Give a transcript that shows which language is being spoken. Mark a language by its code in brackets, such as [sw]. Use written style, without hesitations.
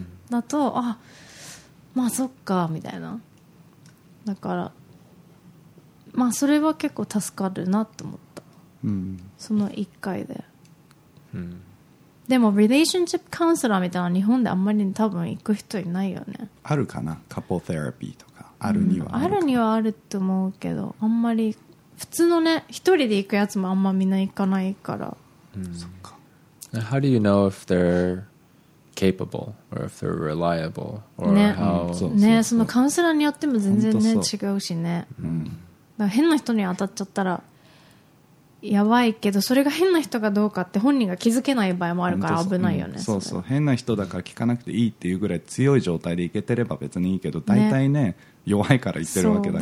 [ja] だと、あ、まあそっかみたいな。だからまあそれは結構助かるなと思った、その一回で、でもリレーションシップカウンセラーみたいな日本であんまり多分行く人いないよね。あるかな、カップルテラピーとかあるにはある、あるにはあると思うけど、あんまり普通のね一人で行くやつもあんまみんな行かないから。そっか。 [en] How do you know if they'reCapable or if they're reliable or、 [ja] ね、 [en] how、 [ja] ね、そのカウンセラーによっても全然、ね、違うしね、だから変な人に当たっちゃったらやばいけど、それが変な人かどうかって本人が気づけない場合もあるから危ないよね。そう、そう、変な人だから聞かなくていいっていうぐらい強い状態でいけてれば別にいいけど、大体 ね弱いから言ってるわけだから、